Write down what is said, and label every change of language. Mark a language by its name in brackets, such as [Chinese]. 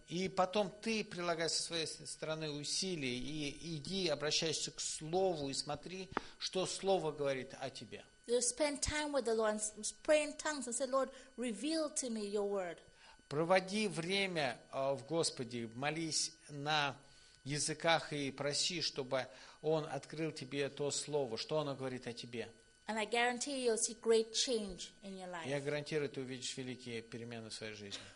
[Russian] И потом ты прилагай со своей стороны усилия и иди, обращайся к Слову и смотри, что Слово говорит о тебе. [English] You spend time with the Lord and pray in tongues and say, Lord, reveal to me your word. [Russian] Проводи время в Господе, молись на языках и проси, чтобы Он открыл тебе то слово, что оно говорит о тебе. [English] And I guarantee you'll see great change in your life. [Russian] Я гарантирую, ты увидишь великие перемены в своей жизни.